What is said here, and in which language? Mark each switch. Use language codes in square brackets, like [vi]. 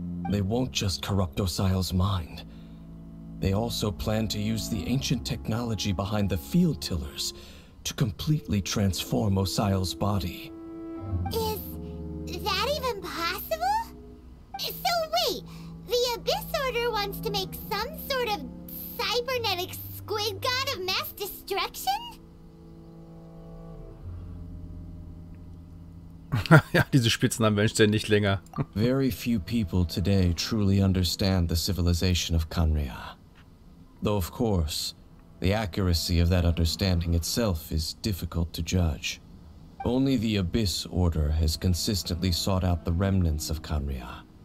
[en] They won't just corrupt Osile's mind. They also plan to use the ancient technology behind the field tillers to completely transform Osile's body. Is that even possible? So wait, the Abyss Order wants to make some sort of cybernetic squid god of mass destruction? [de] Ja, diese Spitznamen werden ständig länger. [en] Very few people today truly understand the civilization of Kanria. Though, of course, the accuracy of that understanding itself is difficult to judge. Only the Abyss Order has consistently sought out the remnants of Kanria.